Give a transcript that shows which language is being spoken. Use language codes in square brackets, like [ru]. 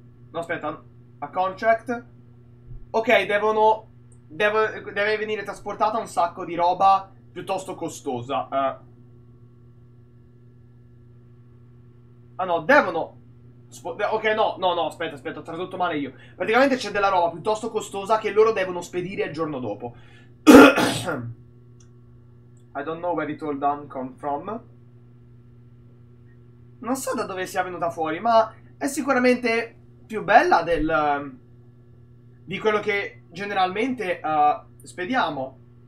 [it] No, aspetta, [en] a contract. [it] Ok, deve venire trasportata un sacco di roba piuttosto costosa. Ah no, devono. Ok, no, aspetta, ho tradotto male io. Praticamente c'è della roba piuttosto costosa che loro devono spedire il giorno dopo. [en] I don't know where it all done come from. [it] Non so da dove sia venuta fuori, ma è sicuramente più bella del. Di quello che generalmente spediamo.